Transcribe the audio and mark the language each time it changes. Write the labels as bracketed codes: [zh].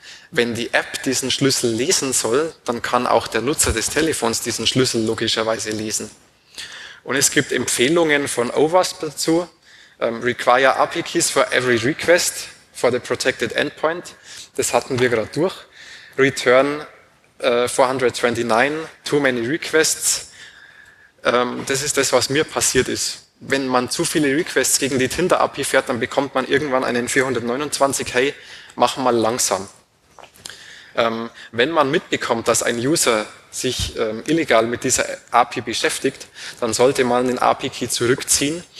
[de] Wenn die App diesen Schlüssel lesen soll, dann kann auch der Nutzer des Telefons diesen Schlüssel logischerweise lesen. Und es gibt Empfehlungen von OWASP dazu, [en] require API keys for every request for the protected endpoint. [de] Das hatten wir gerade durch. [en] Return 429, too many requests. [de] Das ist das, was mir passiert ist. Wenn man zu viele Requests gegen die Tinder-API fährt, dann bekommt man irgendwann einen 429, hey, mach mal langsam. Wenn man mitbekommt, dass ein User sich illegal mit dieser API beschäftigt, dann sollte man den API-Key zurückziehen.